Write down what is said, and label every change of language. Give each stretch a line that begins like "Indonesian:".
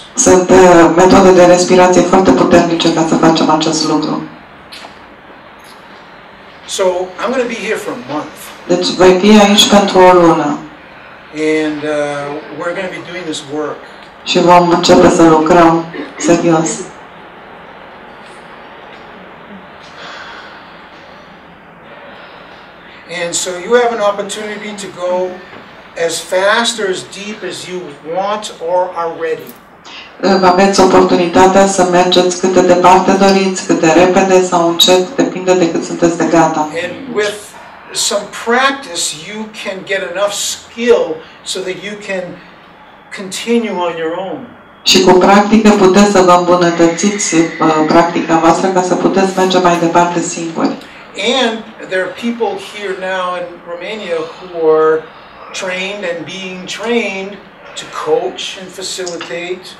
Romanian: Sunt metode de respirație foarte puternice ca să facem acest lucru.
English: So I'm going to be here for a month.
Romanian: Deci voi fi aici pentru o lună.
English: And we're going to be doing this work.
Romanian: Și vom începe să lucrăm serios.
English: And so you have an opportunity to go as fast or as deep as you want or are ready.
Romanian: Aveți oportunitatea să mergeți cât de departe doriți, cât de repede sau încet, depinde de cât sunteți de gata.
English: And with some practice you can get enough skill so that you can continue on your own.
Romanian: Și cu practică puteți să vă îmbunătățiți practica voastră ca să puteți merge mai departe singuri.
English: And there are people here now in Romania who are trained and being trained to coach and facilitate.